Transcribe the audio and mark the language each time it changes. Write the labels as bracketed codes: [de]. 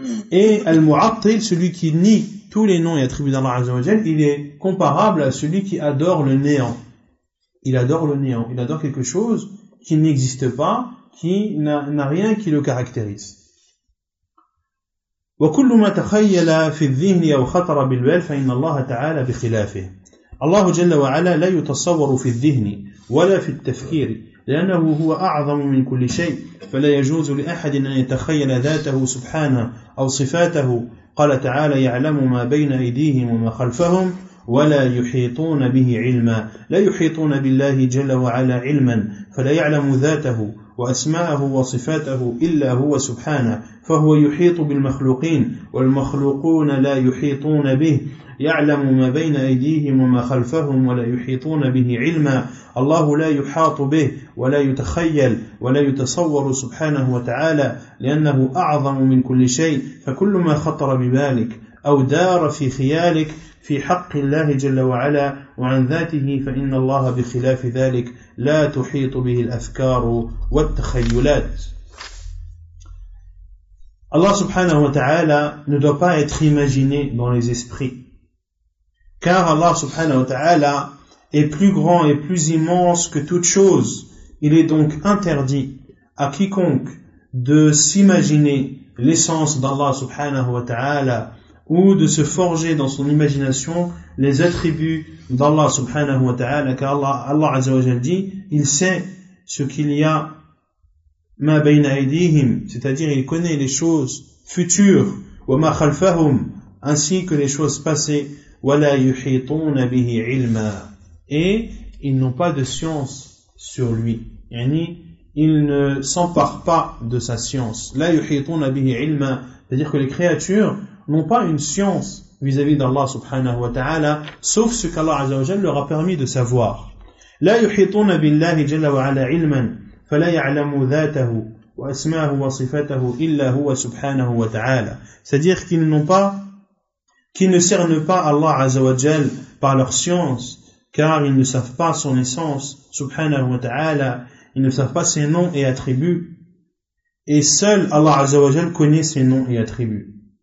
[fr] Et Al-Mu'attil, celui qui nie tous les noms et attributs d'Allah Azza wa Jal, il est comparable à celui qui adore le néant. Il adore le néant, il adore quelque chose qui n'existe pas, qui n'a rien qui le caractérise. [ar] وكل ما تخيل في الذهن أو خطر بالبال فإن الله تعالى بخلافه. الله جل وعلا لا يتصور في الذهن ولا في التفكير لأنه هو أعظم من كل شيء فلا يجوز لأحد أن يتخيل ذاته سبحانه أو صفاته قال تعالى يعلم ما بين أيديهم وما خلفهم ولا يحيطون به علما لا يحيطون بالله جل وعلا علما فلا يعلم ذاته وأسماءه وصفاته إلا هو سبحانه فهو يحيط بالمخلوقين والمخلوقون لا يحيطون به يعلم ما بين أيديهم وما خلفهم ولا يحيطون به علما الله لا يحاط به ولا يتخيل ولا يتصور سبحانه وتعالى لأنه أعظم من كل شيء فكل ما خطر ببالك أو دار في خيالك في حق الله جل وعلا وعن ذاته فإن الله بخلاف ذلك لا تحيط به الأفكار والتخيلات. [fr] Allah subhanahu wa ta'ala ne doit pas être imaginé dans les esprits. Car Allah subhanahu wa ta'ala est plus grand et plus immense que toute chose. Il est donc interdit à quiconque de s'imaginer l'essence d'Allah subhanahu wa ta'ala ou de se forger dans son imagination les attributs d'Allah subhanahu wa ta'ala. Car Allah azza wa jalla dit, il sait ce qu'il y a [ar] ma bayna aydihim, [fr] c'est-à-dire il connaît les choses futures, [ar] wa ma khalfahum, [fr] ainsi que les choses passées, [ar] wa la yuhituna bihi ilma, [fr] et ils n'ont pas de science sur lui, yani ils ne s'emparent pas de sa science, [ar] la yuhituna bihi ilma, [fr] c'est-à-dire que les créatures n'ont pas une science vis-à-vis d'Allah subhanahu wa ta'ala, sauf ce qu'Allah azza wa jalla leur a permis de savoir. [ar] La yuhituna billahi jalla wa ala ilman فلا يعلم ذاته وأسماءه وصفاته إلا هو سبحانه وتعالى. [fr] C'est-à-dire qu'ils ne cernent pas Allah Azza wa Jal par leur science, car ils ne savent pas son essence, subhanahu wa ta'ala, ils ne savent pas ses noms et attributs, et seul Allah Azzawajal connaît ses noms et attributs.